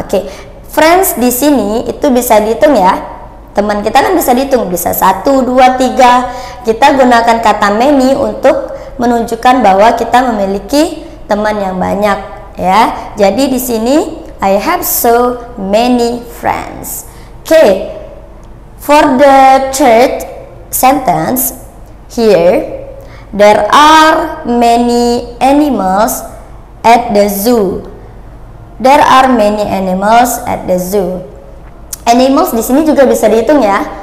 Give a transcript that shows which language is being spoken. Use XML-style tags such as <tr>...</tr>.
<id>Okay, friends di sini itu bisa dihitung ya. Teman kita kan bisa dihitung, bisa 1, 2, 3. Kita gunakan kata many untuk menunjukkan bahwa kita memiliki teman yang banyak, ya. Jadi di sini</id> <en>I have so many friends. Okay, for the third sentence here, there are many animals at the zoo. There are many animals at the zoo.</en> <id>Animals di sini juga bisa dihitung ya.</id>